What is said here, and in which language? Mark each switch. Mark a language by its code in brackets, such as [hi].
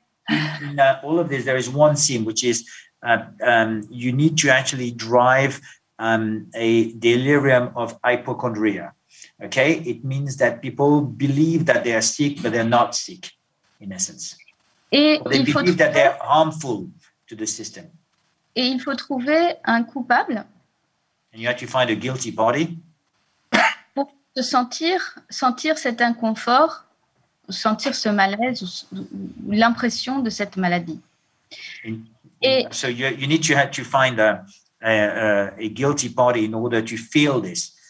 [en] In all of this, there is one theme, which is you need to actually drive a delirium of hypochondria. Okay, it means that people believe that they are sick, but they're not sick. In essence. [fr] Et [en] they believe that they're harmful to the system. [fr] Et il faut trouver un coupable. [en] And you have to find a guilty body. [fr] Pour se sentir cet inconfort, sentir ce malaise ou l'impression de cette maladie. [en] So you need to have to find a guilty body in order to feel this.